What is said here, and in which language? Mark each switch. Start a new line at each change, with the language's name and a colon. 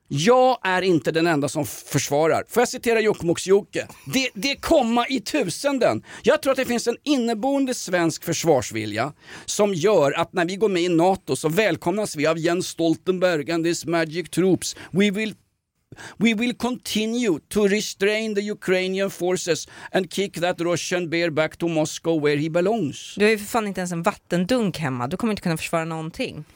Swedish: Jag är inte den enda som försvarar. Får jag citera Jokkmokks Jokke? Det komma i tusenden. Jag tror att det finns en inneboende svensk försvarsvilja som gör att när vi går med i NATO så välkomnas vi av Jens Stoltenberg
English: and his magic troops. We will continue to restrain the Ukrainian forces and kick that Russian bear back to Moscow where he belongs.
Swedish: Du har ju för fan inte ens en vattendunk hemma. Du kommer inte kunna försvara någonting.